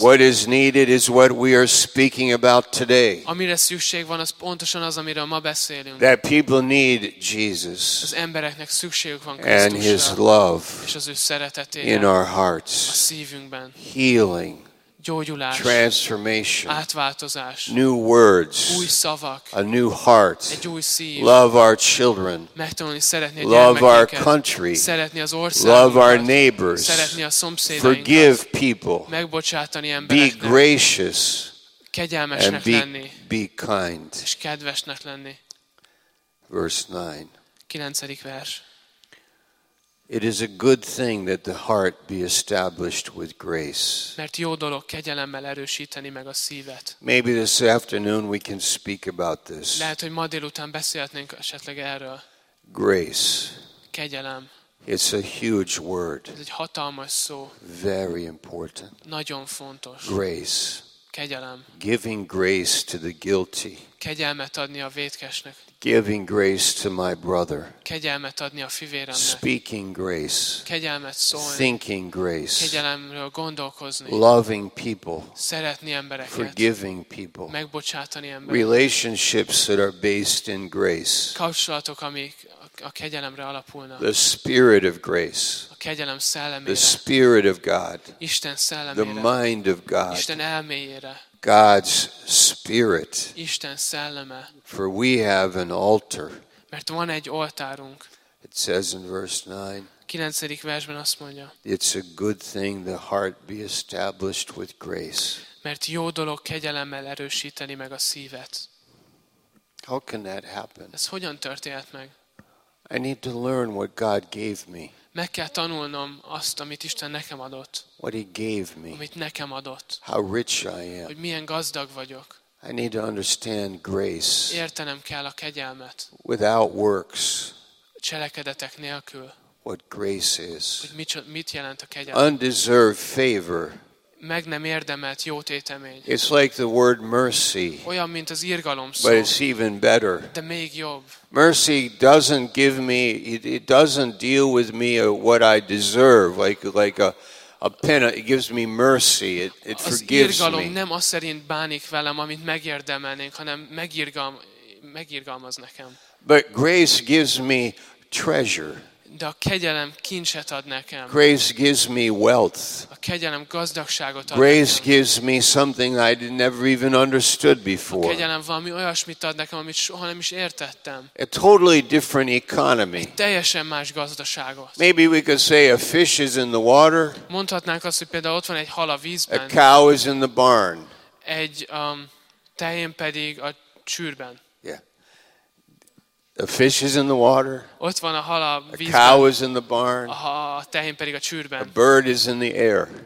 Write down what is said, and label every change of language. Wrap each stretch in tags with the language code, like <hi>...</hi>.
<en>What is needed is what we are speaking about today.</en> <hu>Amire szükség van, az pontosan az, amiről ma beszélünk.</hu> <en>That people need Jesus.</en> <hu>Az embereknek szükségük van Krisztusra.</hu> <en>And his love.</en> <hu>És az ő szeretetére.</hu> <en>In our hearts.</en> <hu>A szívünkben.</hu> <en>Healing.</en> <hu>Gyógyulás,</hu> <en>transformation,</en> <hu>átváltozás,</hu> <en>new words,</en> <hu>új szavak,</hu> <en>a new heart,</en> <hu>egy új szív,</hu> <en>love our children,</en> <hu>megtanulni szeretni a</hu> <en>love our country,</en> <hu>szeretni az országunkat,</hu> <en>love our neighbors,</en> <hu>szeretni a szomszédainkat,</hu> <en>forgive people,</en> <hu>megbocsátani embereknek,</hu> <en>be gracious,</en> <hu>kegyelmesnek</hu> <en>and be,</en> <hu>lenni,</hu> <en>be kind,</en> <hu>és kedvesnek lenni.</hu> <en>Verse 9.</en> <hu>9. vers.</hu> <en>It is a good thing that the heart be established with grace.</en> <hu>Mert jó dolog kegyelemmel erősíteni meg a szívet.</hu> <en>Maybe this afternoon we can speak about this.</en> <hu>Lehet, hogy ma délután beszélhetnénk esetleg erről.</hu> <en>Grace.</en> <hu>Kegyelem.</hu> <en>It's a huge word.</en> <hu>Ez egy hatalmas szó.</hu> <en>Very important.</en> <hu>Nagyon fontos.</hu> <en>Grace.</en> <hu>Kegyelem.</hu> <en>Giving grace to the guilty.</en> <hu>Kegyelmet adni a vétkesnek.</hu> <en>Giving grace to my brother.</en> <hu>Kegyelmet adni a fivéremnek.</hu> <en>Speaking grace.</en> <hu>Kegyelmet szólni.</hu> <en>Thinking grace.</en> <hu>Kegyelemről gondolkozni.</hu> <en>Loving people.</en> <hu>Szeretni embereket.</hu> <en>Forgiving people.</en> <hu>Megbocsátani embereket.</hu> <en>Relationships that are based in grace.</en> <hu>Kapcsolatok, amik a kegyelemre alapulnak.</hu> <en>The spirit of grace.</en> <hu>A kegyelem szellemére.</hu> <en>The spirit of God.</en> <hu>Isten szellemére.</hu> <en>The mind of God.</en> <hu>Isten elméjére.</hu> <en>God's spirit.</en> <hu>Isten szelleme.</hu> <en>For we have an altar.</en> <hu>Mert van egy oltárunk.</hu> <en>It says in verse 9.</en> <hu>9. versben azt mondja.</hu> <en>It's a good thing the heart be established with grace.</en> <hu>Mert jó dolog kegyelemmel erősíteni meg a szívet.</hu> <en>How can that happen?</en> <hu>Ez hogyan történhet meg?</hu> <en>I need to learn what God gave me.</en> <hu>Meg kell tanulnom azt, amit Isten nekem adott.</hu> <en>What he gave me.</en> <hu>Amit nekem adott.</hu> <en>How rich I am.</en> <hu>Hogy milyen gazdag vagyok.</hu> <en>I need to understand grace.</en> <hu>Értenem kell a kegyelmet.</hu> <en>Without works.</en> <hu>Cselekedetek nélkül.</hu> <en>What grace is.</en> <hu>Hogy mit jelent a kegyelem.</hu> <en>Undeserved favor.</en> <hu>Meg nem érdemelt jó tétemény.</hu> <en>It's like the word mercy.</en> <hu>Olyan, mint az irgalom szó.</hu> <en>But it's even better.</en> <hu>De még jobb.</hu> <en>Mercy doesn't give me, it doesn't deal with me what I deserve, like a pen. It gives me mercy. It forgives me.</en> <hu>Az irgalom nem azt szerint bánik velem, amit megérdemelnénk, hanem megirgalmaz nekem.</hu> <en>But grace gives me treasure.</en> <hu>De a kegyelem kincset ad nekem.</hu> <en>Grace gives me wealth.</en> <hu>A kegyelem gazdagságot ad.</hu> <en>Grace</en> <hu>nekem.</hu> <en>Gives me something I never even understood before.</en> <hu>A kegyelem valami olyasmit ad nekem, amit soha nem is értettem.</hu> <en>A totally different economy.</en> <hu>Egy teljesen más gazdaságot.</hu> <en>Maybe we could say a fish is in the water.</en> <hu>Mondhatnánk azt, hogy például ott van egy hal a vízben.</hu> <en>A cow is in the barn.</en> <hu>Egy tején pedig a csűrben.</hu> <en>A fish is in the water.</en> <hu>Ott van a hal a vízben.</hu> <en>A cow is in the barn.</en> <hu>A tehén pedig a csűrben.</hu> <en>A bird is in the air.</en>